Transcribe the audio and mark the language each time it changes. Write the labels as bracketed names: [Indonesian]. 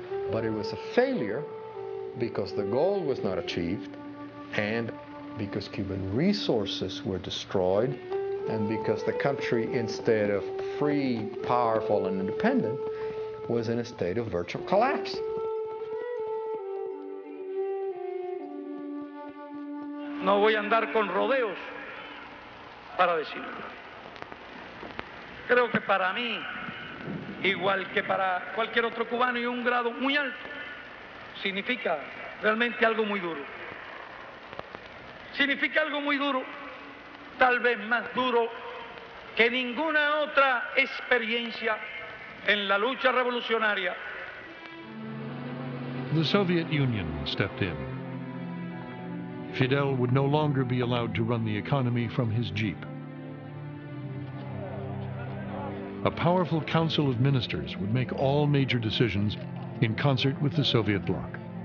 [English] But it was a failure because the goal was not achieved, and because Cuban resources were destroyed, and because the country, instead of free, powerful, and independent, was in a state of virtual collapse. [Spanish] no voy a andar con rodeos para decirlo. Creo que para mí, igual que para cualquier otro cubano, y un grado muy alto, significa realmente algo muy duro. Significa algo muy duro, tal vez más duro que ninguna otra experiencia en la lucha revolucionaria. [English] The Soviet Union stepped in. Fidel would no longer be allowed to run the economy from his jeep. A powerful council of ministers would make all major decisions in concert with the Soviet bloc.